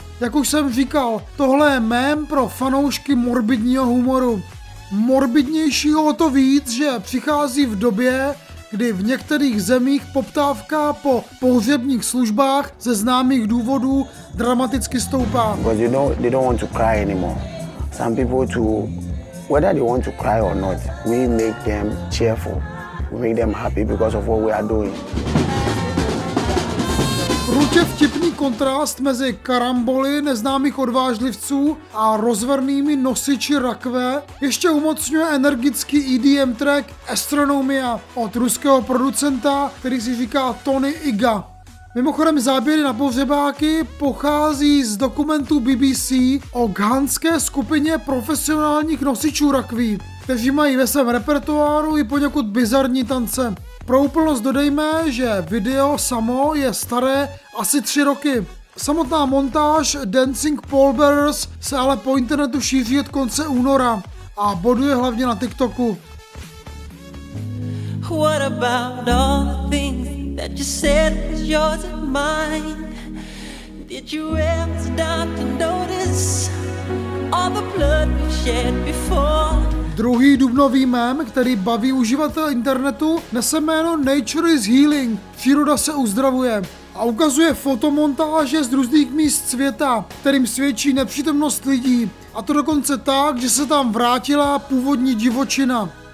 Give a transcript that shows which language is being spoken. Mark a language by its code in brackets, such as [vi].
[cs] Jak už jsem říkal, tohle je mém pro fanoušky morbidního humoru. Morbidnějšího o to víc, že přichází v době, kdy v některých zemích poptávka po pohřebních službách ze známých důvodů dramaticky stoupá. [en] Because you know, they don't want to cry anymore. Some people to, whether they want to cry or not, we make them cheerful. We make them happy because of what we are doing. [cs] Ruče vtipný kontrast mezi karamboly neznámých odvážlivců a rozvernými nosiči rakve ještě umocňuje energický EDM track Astronomia od ruského producenta, který si říká Tony Iga. Mimochodem záběry na pohřebáky pochází z dokumentu BBC o ghanské skupině profesionálních nosičů rakví, kteří mají ve svém repertoáru i poněkud bizarní tance. Pro úplnost dodejme, že video samo je staré asi 3 roky. Samotná montáž Dancing Pallbearers se ale po internetu šíří od konce února a boduje hlavně na TikToku. [en] What about all the things that you said was yours and mine? Did you ever stop to notice all the blood we shed before? [cs] Druhý dubnový mem, který baví uživatel internetu, nese jméno Nature is Healing, příroda se uzdravuje, a ukazuje fotomontáže z různých míst světa, kterým svědčí nepřítomnost lidí, a to dokonce tak, že se tam vrátila původní divočina.